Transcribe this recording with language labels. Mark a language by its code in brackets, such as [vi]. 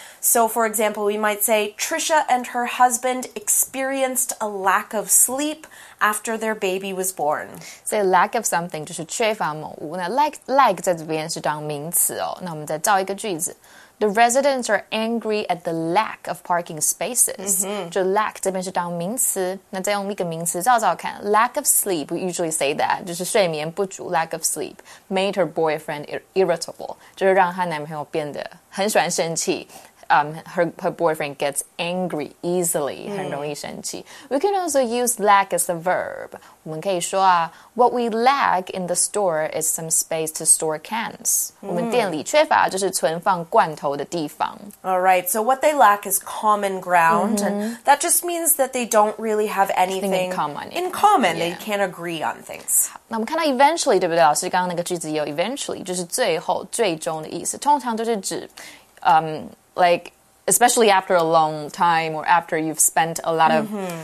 [en] So, for example, we might say, Trisha and her husband experienced a lack of sleep after their baby was born. [zh] So, lack of something 就是缺乏某物。那 lack 在这边是当名词哦。那我们再造一个句子。 [en] The residents are angry at the lack of parking spaces.、Mm-hmm. [zh] 就 lack 这边是当名词，那再用一个名词照照看。 [en] Lack of sleep, we usually say that, [zh] 就是睡眠不足 [en] lack of sleep, made her boyfriend irritable, [zh] 就是让她男朋友变得很喜欢生气。 [en] Her boyfriend gets angry easily,、mm. [zh] 很容易生气。 [en] We can also use lack as a verb. [zh] 我们可以说啊 [en] what we lack in the store is some space to store cans.、Mm. [zh] 我们店里缺乏就是存放罐头的地方。 [en] All right, so what they lack is common ground,、mm-hmm. and that just means that they don't really have anything in common.、 Yeah. They can't agree on things. [zh] 那我们看到 eventually, 对不对？老师刚刚那个句子有 eventually, 就是最后、最终的意思。通常都是指、 [en] like, especially after a long time or after you've spent a lot of、mm-hmm.